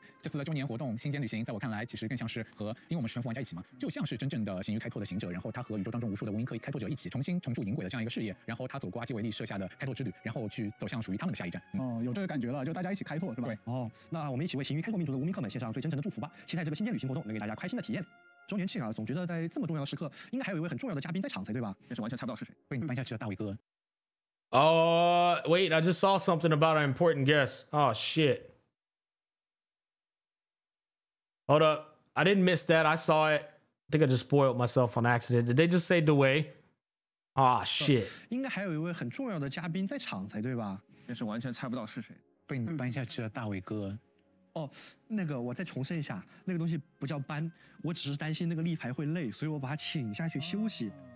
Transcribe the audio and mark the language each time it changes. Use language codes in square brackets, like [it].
[zh] 这次的周年活动星间旅行，在我看来，其实更像是和因为我们全副玩家一起嘛，就像是真正的星域开拓的行者，然后他和宇宙当中无数的无名客开拓者一起重新重铸银轨的这样一个事业，然后他走过阿基维利设下的开拓之旅，然后去走向属于他们的下一站。有这个感觉了，就大家一起开拓是吧？对。那我们一起为星域开拓民族的无名客们献上最真诚的祝福吧，期待这个星间旅行活动能给大家开心的体验。周年庆啊，总觉得在这么重要的时刻，应该还有一位很重要的嘉宾在场才对吧？但是完全猜不到是谁，被你搬下去的大伟哥。 [en] Wait, I just saw something about an important guest. Oh shit. Hold up. I didn't miss that. I saw it. I think I just spoiled myself on accident. Did they just say the way? Ah, shit. [zh] 应该还有一位很重要的嘉宾在场才对吧？但是完全猜不到是谁。被你搬下去的大伟哥。哦，那个我再重申一下，那个东西不叫搬，我只是担心那个立牌会累，所以我把他请下去休息。